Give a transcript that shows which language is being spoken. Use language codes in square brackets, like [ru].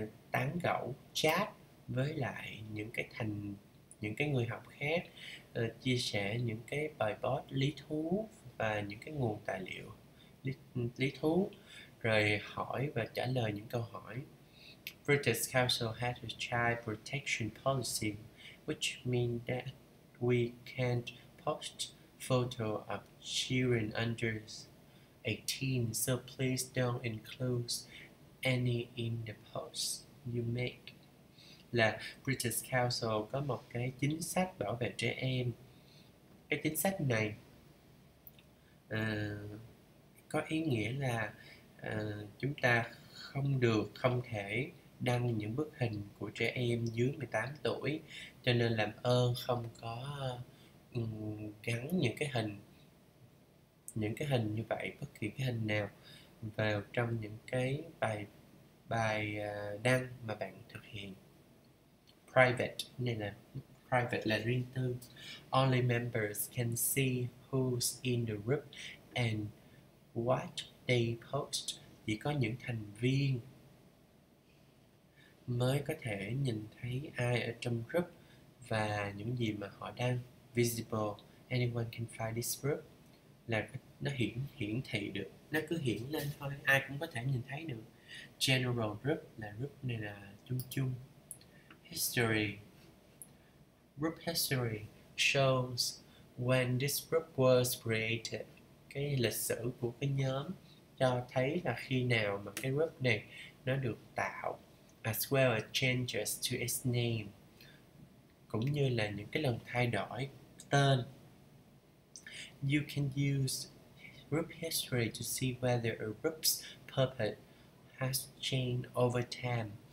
[vi] tán gẫu chat với lại những cái người học khác, chia sẻ những cái bài post lý thú và những cái nguồn tài liệu lý thú, rồi hỏi và trả lời những câu hỏi. [en] British Council has a child protection policy, which means that we can't post photo of children under 18, so please don't include any in the post you make. [vi] Là British Council có một cái chính sách bảo vệ trẻ em. Cái chính sách này có ý nghĩa là chúng ta không được, không thể đăng những bức hình của trẻ em dưới 18 tuổi, cho nên làm ơn không có gắn những cái hình như vậy, bất kỳ cái hình nào vào trong những cái bài bài đăng mà bạn thực hiện. Private, nên là private là riêng tư. [en] Only members can see who's in the group and what they post. [vi] Chỉ có những thành viên mới có thể nhìn thấy ai ở trong group và những gì mà họ đang visible. [en] Anyone can find this group. [vi] Là nó hiển hiển thị được, nó cứ hiển lên thôi, ai cũng có thể nhìn thấy được. General group là group này là chung chung. [en] History. Group history shows when this group was created. [vi] Cái lịch sử của cái nhóm cho thấy là khi nào mà cái group này nó được tạo. [en] As well as changes to its name, [vi] cũng như là những cái lần thay đổi tên. [en] You can use group history to see whether a group's purpose has changed over time.